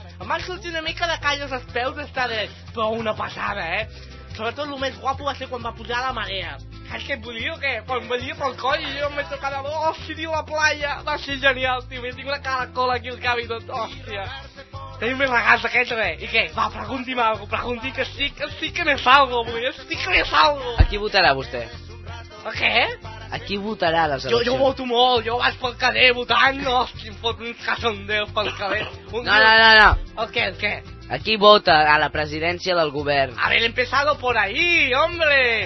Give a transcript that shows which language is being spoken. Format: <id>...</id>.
<ca>Em va sortir una mica de calles als peus, està bé, però una passada, eh? Sobretot el més guapo va ser quan va pujar la marea. Saps què et vull dir o què? Quan venia pel coll i jo em vaig tocar de bo, hòstia, la playa. Va ser genial, tio. Jo tinc una cara cola aquí al cap i tot, hòstia. Tenim més regals d'aquests, bé. I què? Va, pregunti'm algo, pregunti que sí que n'és algo, avui. Sí que n'és algo. A qui votarà vostè? A què? A qui votarà les eleccions? Jo voto molt, jo vaig pel carrer votant, hòstia, em foto uns casondeus pel carrer. No. El què? A qui vota a la presidència del govern?</ca> <es>Haber empezado por ahí, hombre.</es>